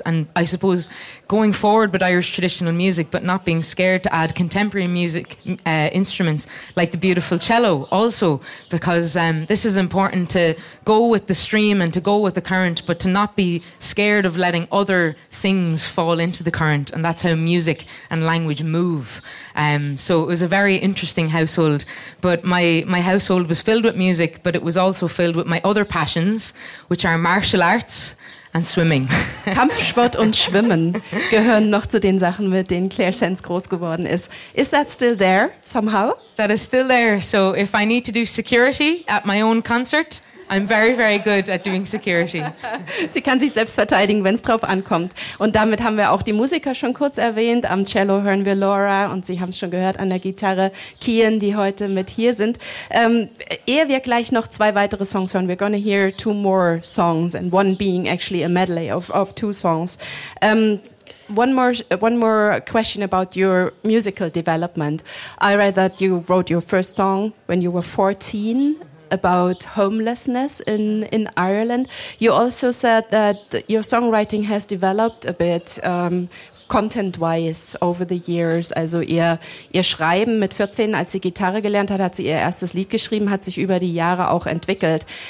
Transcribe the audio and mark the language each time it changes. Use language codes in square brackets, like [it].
[en] And I suppose going forward with Irish traditional music, but not being scared to add contemporary music instruments like the beautiful cello also, because this is important to go with the stream and to go with the current, but to not be scared of letting other things fall into the current. And that's how music and language move. So it was a very interesting household. But my household was filled with music, but it was also filled with my other passions, which are martial arts and swimming. [de] Kampfsport und Schwimmen gehören noch zu den Sachen, mit denen Claire Sands groß geworden ist. [en] Is that still there somehow? That is still there. So if I need to do security at my own concert, I'm very, very good at doing security. [de] Sie kann sich selbst verteidigen, wenn es drauf ankommt. Und damit haben wir auch die Musiker schon kurz erwähnt. Am Cello hören wir Laura und Sie haben es schon gehört an der Gitarre, Kian, die heute mit hier sind. Ehe wir gleich noch zwei weitere Songs hören, [en] we're gonna hear two more songs and one being actually a medley of two songs. One more question about your musical development. I read that you wrote your first song when you were 14 about homelessness in Ireland. You also said that your songwriting has developed a bit content-wise over the years. [de] Also ihr Schreiben mit 14, als sie Gitarre gelernt hat, hat sie ihr erstes Lied geschrieben, hat sich über die Jahre auch entwickelt.